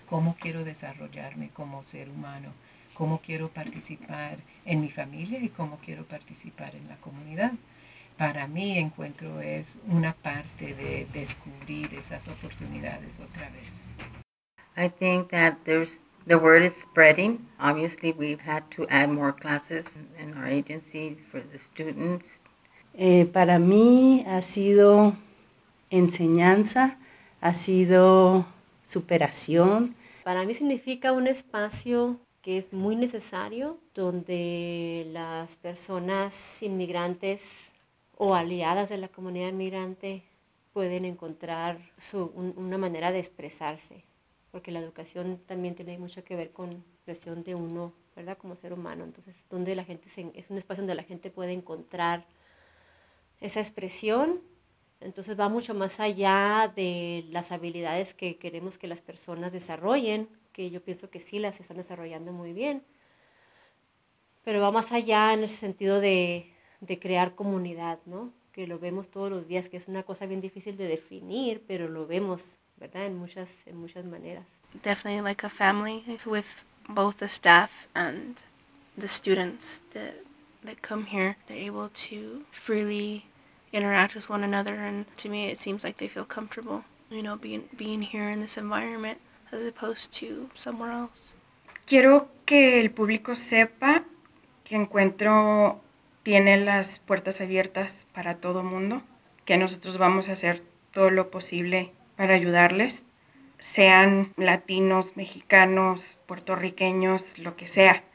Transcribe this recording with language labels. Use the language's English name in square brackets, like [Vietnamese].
[Spanish] ¿Cómo quiero desarrollarme como ser humano? ¿Cómo quiero participar en mi familia y cómo quiero participar en la comunidad? Para mí, encuentro es una parte de descubrir esas oportunidades otra vez. [English] I think that the word is spreading. Obviously, we've had to add more classes in our agency for the students. [Spanish] Para mí ha sido enseñanza, ha sido superación. Para mí significa un espacio que es muy necesario, donde las personas inmigrantes o aliadas de la comunidad inmigrante pueden encontrar una manera de expresarse, porque la educación también tiene mucho que ver con la expresión de uno, ¿verdad? Como ser humano. Entonces, donde la gente es un espacio donde la gente puede encontrar esa expresión. Entonces, va mucho más allá de las habilidades que queremos que las personas desarrollen, que yo pienso que sí las están desarrollando muy bien, pero va más allá en ese sentido de crear comunidad, ¿no? Que lo vemos todos los días, que es una cosa bien difícil de definir, pero lo vemos, ¿verdad? En muchas maneras. [English] Definitely like a family with both the staff and the students that come here. They're able to freely interact with one another, and to me it seems like they feel comfortable, you know, being here in this environment as opposed to somewhere else. [Spanish] Quiero que el público sepa que Encuentro tiene las puertas abiertas para todo mundo, que nosotros vamos a hacer todo lo posible para ayudarles, sean latinos, mexicanos, puertorriqueños, lo que sea.